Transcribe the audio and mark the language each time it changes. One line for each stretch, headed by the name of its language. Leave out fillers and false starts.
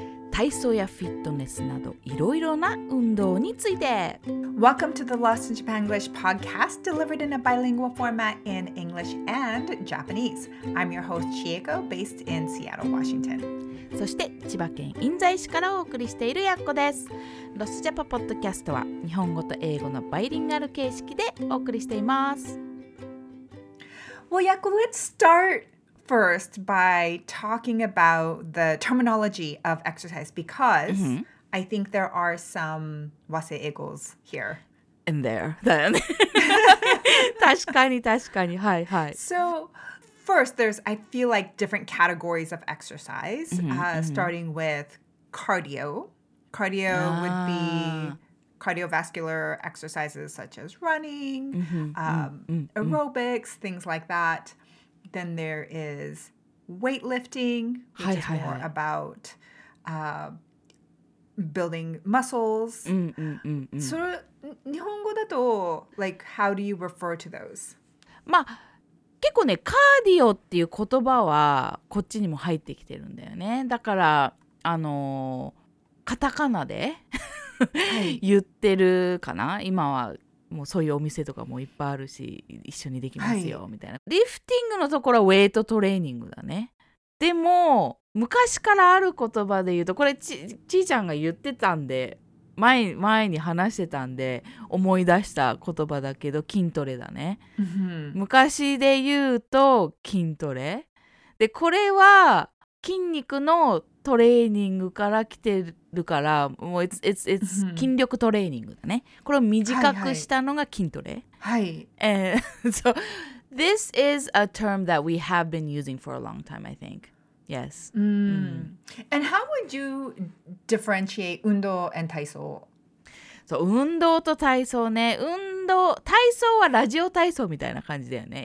Japanese: 体操やフィットネスなどいろいろな運動について。
English: Welcome to the Lost in Japan English podcast, delivered in a bilingual format in English and Japanese. I'm your host, Chieko, based in Seattle, Washington.
Japanese: そして千葉県印西市からお送りしているやっこです。 Lost Japan podcast は日本語と英語のバイリンガル形式でお送りしています。
English: Well, Yakko, let's start first by talking about the terminology of exercise because I think there are some wase egos here. In there, then.
Japanese: 確かに確かに。はいはい。
English: So first, there's, I feel like, different categories of exercise, starting with cardio. Cardio would be cardiovascular exercises such as running, aerobics, things like that. Then there is weightlifting, which is more about building muscles. So,
Japanese: 日本語だと,
English: like, how do you refer to those?
Japanese: まあ、結構ね、カーディオっていう言葉はこっちにも入ってきてるんだよね。だから、あの、カタカナで言ってるかな、今は。もうそういうお店とかもいっぱいあるし一緒にできますよみたいな、はい、リフティングのところはウェイトトレーニングだね。でも昔からある言葉で言うとこれ ちーちゃんが言ってたんで 前に話してたんで思い出した言葉だけど筋トレだね、うん、昔で言うと筋トレでこれは筋肉のトレーニングから来てるからもう
English: it's
Japanese: 筋力トレーニングだね。これを短くしたのが筋トレ。はい、はい。
English: So this is a term that we have been using for a long time, I think. Yes. And how would you differentiate 運動 and 体操? So
Japanese: 運動と体操ね。運動、体操はラジオ体操みたいな感じだよね。